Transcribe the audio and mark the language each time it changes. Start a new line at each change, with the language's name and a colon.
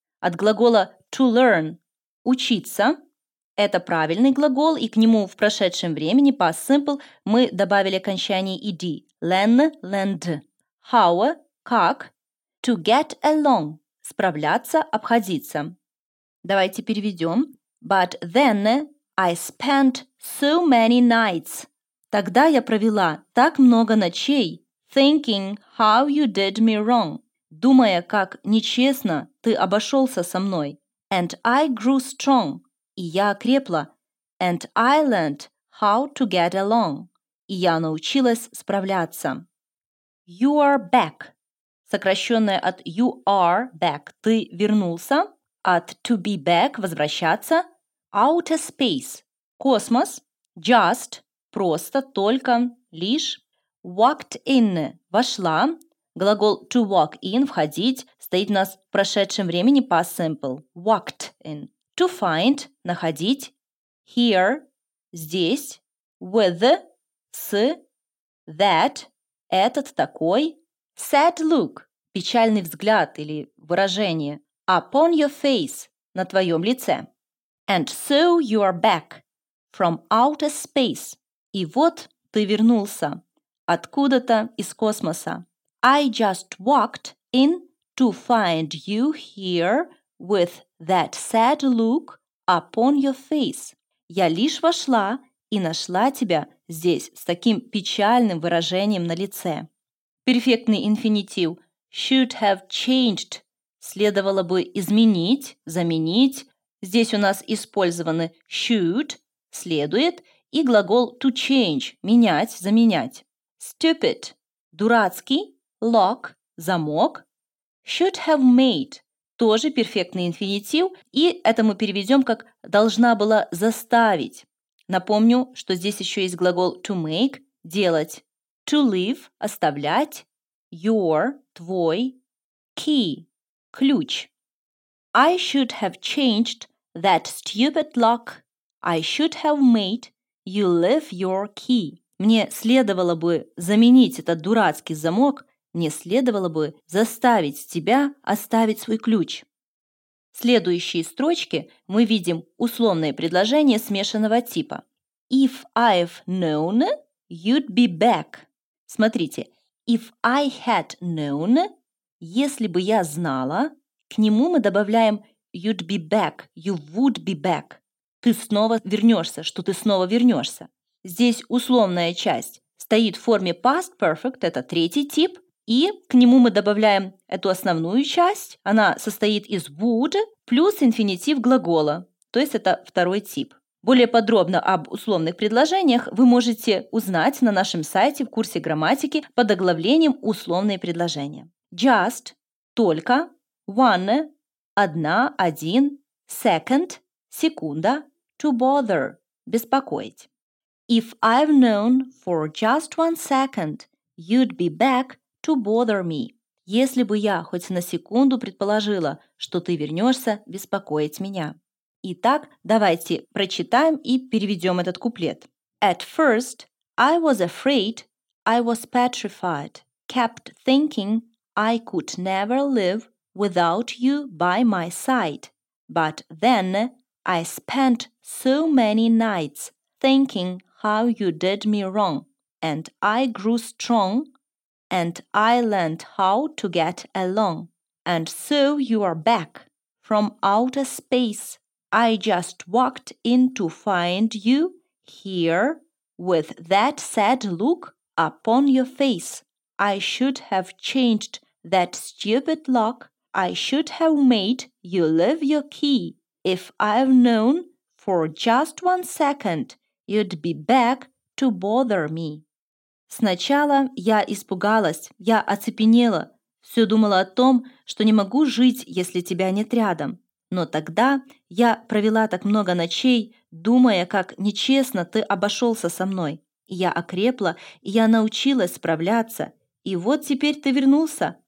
Russian: От глагола
English: to learn.
Russian: Учиться. Это правильный глагол, и к нему в прошедшем времени, past simple, мы добавили окончание ed.
English: Learn, learned. How, как. To get along.
Russian: Справляться, обходиться. Давайте переведем.
English: But then I spent so many nights.
Russian: Тогда я провела так много ночей.
English: Thinking how you did me wrong.
Russian: Думая, как нечестно ты обошелся со мной.
English: And I grew strong.
Russian: И я окрепла.
English: And I learned how to get along.
Russian: И я научилась справляться.
English: You are back.
Russian: Сокращенное от
English: you are back.
Russian: Ты вернулся.
English: От to be back.
Russian: Возвращаться.
English: Outer space.
Russian: Космос. Just. Просто. Только. Лишь.
English: Walked in. Вошла. Глагол to walk in.
Russian: Входить. Стоит у нас в прошедшем времени past simple.
English: Walked in. To find
Russian: – находить, here – здесь, with – с, that – этот такой,
English: sad look
Russian: – печальный взгляд или выражение,
English: upon your face
Russian: – на твоем лице.
English: And so you are back from outer space.
Russian: И вот ты вернулся откуда-то из космоса.
English: I just walked in to find you here with that sad look upon your face.
Russian: Я лишь вошла и нашла тебя здесь с таким печальным выражением на лице. Перфектный инфинитив
English: should have changed.
Russian: Следовало бы изменить, заменить. Здесь у нас использованы should, следует, и глагол
English: to change,
Russian: менять, заменять.
English: Stupid, дурацкий, lock, замок. Should have made.
Russian: Тоже перфектный инфинитив, и это мы переведем как «должна была заставить». Напомню, что здесь еще есть глагол
English: «to make»
Russian: – «делать».
English: «To leave» – «оставлять». «Your» – «твой». «Key» – «ключ». «I should have changed that stupid lock. I should have made you leave your key».
Russian: «Мне следовало бы заменить этот дурацкий замок». Мне следовало бы заставить тебя оставить свой ключ. следующие строчки мы видим условные предложения смешанного типа.
English: If I've known, you'd be back. Смотрите, if I had known,
Russian: если бы я знала, к нему мы добавляем
English: you'd be back, you would be back.
Russian: Ты снова вернешься, что ты снова вернешься. Здесь условная часть стоит в форме past perfect, это третий тип. И к нему мы добавляем эту основную часть. Она состоит из would плюс инфинитив глагола. То есть это второй тип. Более подробно об условных предложениях вы можете узнать на нашем сайте в курсе грамматики под оглавлением «Условные предложения». Just – только, one – одна, один, second – секунда, to bother – беспокоить.
English: If I've known for just one second, you'd be back to bother me.
Russian: Если бы я хоть на секунду предположила, что ты вернешься беспокоить меня. Итак, давайте прочитаем и переведем этот куплет.
English: At first, I was afraid, I was petrified, kept thinking I could never live without you by my side. But then I spent so many nights thinking how you did me wrong, and I grew strong, and I learned how to get along. And so you are back from outer space. I just walked in to find you here with that sad look upon your face. I should have changed that stupid lock. I should have made you leave your key. If I've known for just one second, you'd be back to bother me.
Russian: Сначала я испугалась, я оцепенела. Все думала о том, что не могу жить, если тебя нет рядом. Но тогда я провела так много ночей, думая, как нечестно ты обошелся со мной. Я окрепла, и я научилась справляться. И вот теперь ты вернулся.